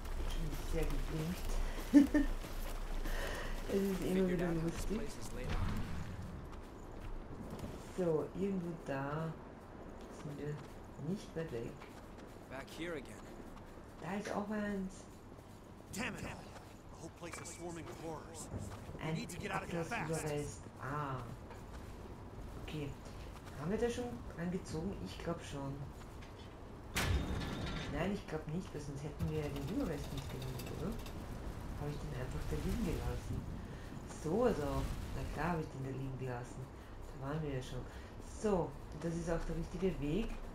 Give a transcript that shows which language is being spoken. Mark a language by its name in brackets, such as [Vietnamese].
[German] Schon sehr geblinkt. Es ist immer wieder lustig. So, irgendwo da sind wir nicht weit weg. [English] Back here again. [German] Da ist auch eins. [English] Damn it! The whole place is swarming with horrors. We need to get out of here fast. Ah. Okay. [German] Haben wir da schon angezogen? Ich glaube schon. Nein, ich glaube nicht, weil sonst hätten wir ja den Überrest nicht genommen, oder? Habe ich den einfach da liegen gelassen. So, also, na klar habe ich den da liegen gelassen. Da waren wir ja schon. So, das ist auch der richtige Weg.